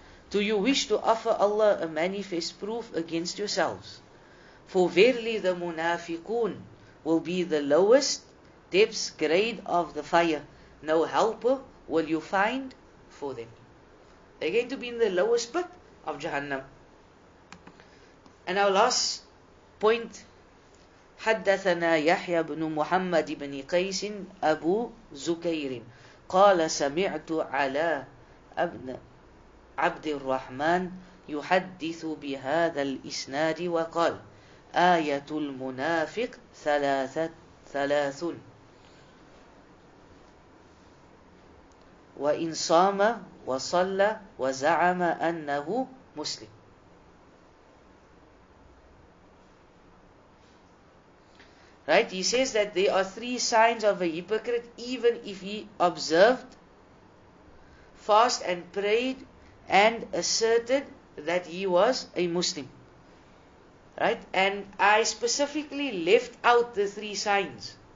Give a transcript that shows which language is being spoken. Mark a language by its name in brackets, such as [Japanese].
[English] Do you wish to offer Allah a manifest proof against yourselves? For verily the munafiqun will be the lowest depths grade of the fire. No helper will you find for them. They're going to be in the lowest pit of Jahannam. And our last point, [Arabic] حدثنا يحيى بن محمد بن قيس أبو زكير قال سمعت على ابن عبد الرحمن يحدث بهذا الإسناد وقال آية المنافق ثلاث وإن صام وصلى وزعم أنه مسلم. [English] Right, he says that there are three signs of a hypocrite even if he observed, fast and prayed and asserted that he was a Muslim. Right, and I specifically left out the three signs.